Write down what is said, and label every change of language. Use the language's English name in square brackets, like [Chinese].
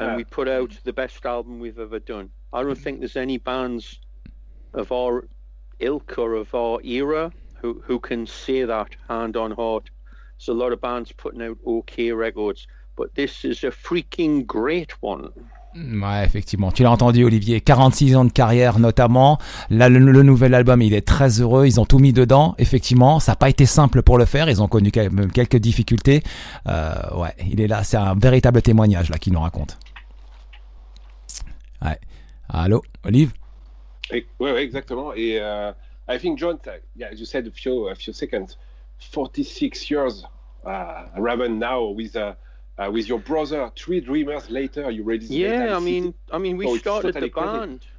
[English] And we put out the best album we've ever done. I don't think there's any bands of our ilk or of our era who can say that hand on heart. There's a lot of bands putting out okay records, but this is a freaking great one. [French] Ouais, effectivement, tu l'as entendu Olivier, 46 ans de carrière notamment, le nouvel album, il est très heureux, ils ont tout mis dedans, effectivement, ça n'a pas été simple pour le faire, ils ont connu quelques difficultés, ouais, il est là, c'est un véritable témoignage là qu'il nous raconte. Ouais, allô, Olive. Oui, exactement, et [English] I think John, yeah, you said a few seconds, 46 years, Raven now with... with your brother, Three Dreamers Later, you ready? Yeah, I mean, we started totally the band.